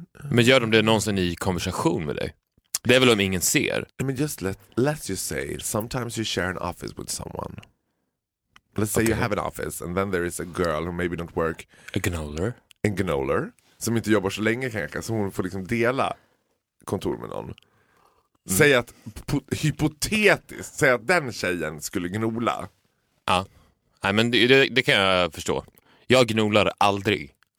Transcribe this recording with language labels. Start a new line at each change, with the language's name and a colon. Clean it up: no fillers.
Swedish: men gör de det någonsin i konversation med dig? Det är väl om ingen ser.
English: I mean, just let's just say, sometimes you share an office with someone. Let's say okay. You have an office and then there is a girl who maybe don't work. A gnoller.
Swedish: Som inte jobbar så länge kanske, så hon får liksom dela kontor med någon. Säg att, hypotetiskt, säg att den tjejen skulle gnola. Ja, nej, men det kan jag förstå. Jag gnolar aldrig.